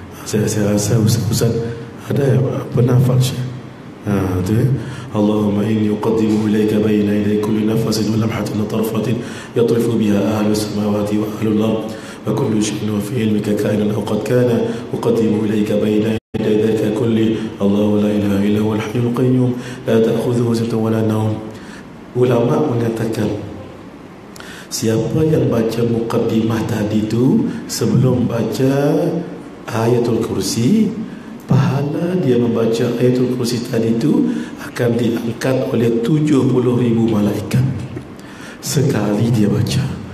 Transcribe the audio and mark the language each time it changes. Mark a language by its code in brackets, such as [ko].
[ms] Saya rasa Ustaz ada yang pernah hafal. [ar] Ha, tu اللهم إني أقدم إليك بين يدي كل نفس ولمحة وطرفة يطرف بها أهل السماوات وأهل الأرض وكل شيء في علمك كائنا أو قد كان. أقدم إليك بين يدي ذلك كله. الله لا إله إلا هو الحي القيوم لا تأخذه سنة ولا نوم. [ms] علماء mengatakan siapa yang baca mukaddimah tadi itu sebelum baca Ayatul Kursi, pahala dia membaca Ayatul Kursi tadi itu akan diangkat oleh 70,000 malaikat sekali dia baca.